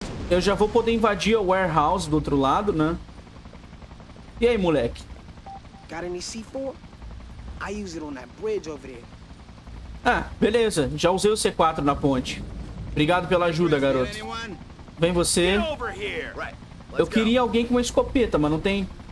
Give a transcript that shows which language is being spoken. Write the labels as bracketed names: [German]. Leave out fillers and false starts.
[Portuguese] Eu já vou poder invadir o warehouse do outro lado, né? E aí, moleque? [English] Got any C4? I use it on that bridge over there. [Portuguese] Ah, beleza. Já usei o C4 na ponte. Obrigado pela ajuda, garoto. Vem você. Eu queria alguém com uma escopeta, mas não tem.